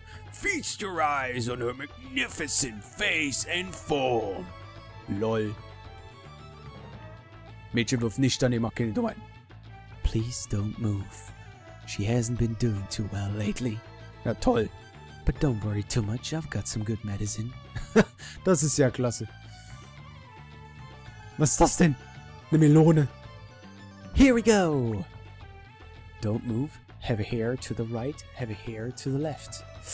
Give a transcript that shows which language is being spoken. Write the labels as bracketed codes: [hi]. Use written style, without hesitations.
[en] Feast your eyes on her magnificent face and form. Lol. [de] Mädchen wirft nicht daneben, mach keine Dummheiten. [en] Please don't move. She hasn't been doing too well lately. [de] Ja, toll. [en] But don't worry too much, I've got some good medicine. [de] Das ist ja klasse. Was ist das denn? Eine Melone. [en] Here we go! Don't move. Heavy hair to the right, heavy hair to the left.